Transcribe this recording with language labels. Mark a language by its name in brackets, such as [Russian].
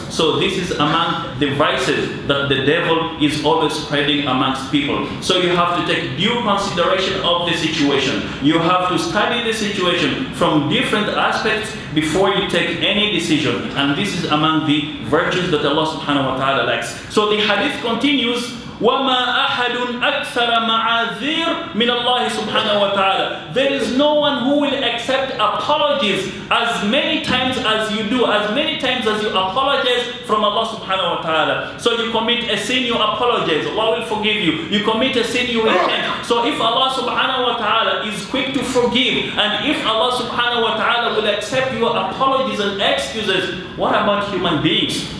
[English] So this is among the vices that the devil is always spreading amongst people. So you have to take due consideration of the situation. You have to study the situation from different aspects before you take any decision. And this is among the virtues that Allah subhanahu wa ta'ala likes. So the hadith continues, [Arabic] وَمَا أَحَدٌ أَكْثَرَ مَعَذِيرٌ مِنَ اللَّهِ سُبْحَانَهُ وَتَعَالَى. [English] There is no one who will accept apologies as many times as you do, as many times as you apologize from Allah subhanahu wa ta'ala. So you commit a sin, you apologize, Allah will forgive you. You commit a sin, you repent. So if Allah subhanahu wa ta'ala is quick to forgive, and if Allah subhanahu wa ta'ala will accept your apologies and excuses, what about human beings?